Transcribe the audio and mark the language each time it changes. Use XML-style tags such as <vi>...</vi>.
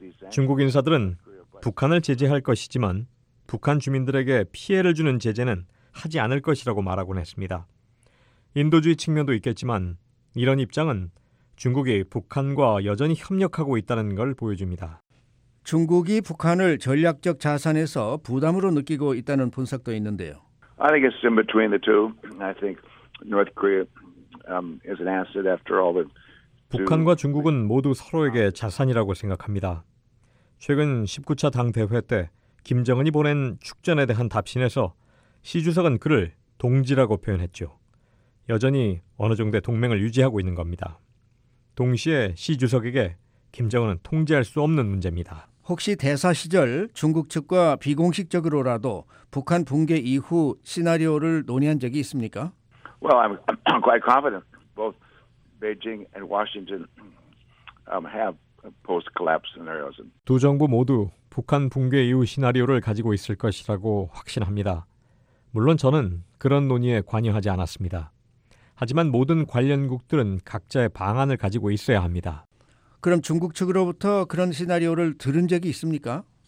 <ko>중국 인사들은 북한을 제재할 것이지만 북한 주민들에게 피해를 주는 제재는 하지 않을 것이라고 말하곤 했습니다. 인도주의 측면도 있겠지만 이런 입장은 중국이 북한과 여전히 협력하고 있다는 걸 보여줍니다. 중국이 북한을 전략적 자산에서 부담으로 느끼고 있다는 분석도 있는데요.</ko> <en>I think it's in between the two. I think North Korea is an asset after all the</en> <ko>북한과 중국은 모두 서로에게 자산이라고 생각합니다. 최근 19차 당대회 때 김정은이 보낸 축전에 대한 답신에서 시 주석은 그를 동지라고 표현했죠. 여전히 어느 정도의 동맹을 유지하고 있는 겁니다. 동시에 시 주석에게 김정은은 통제할 수 없는 문제입니다. 혹시 대사 시절 중국 측과 비공식적으로라도 북한 붕괴 이후 시나리오를 논의한 적이 있습니까?</ko> <en>Well, I'm quite confident both Beijing and Washington have post-collapse scenarios.</en> <ko>두 정부 모두 북한 붕괴 이후 시나리오를 가지고 있을 것이라고 확신합니다. 물론 저는 그런 논의에 관여하지 않았습니다. 하지만 모든 관련국들은 각자의 방안을 가지고 있어야 합니다. 그럼 중국 측으로부터 그런 시나리오를 들은 적이 있습니까?</ko>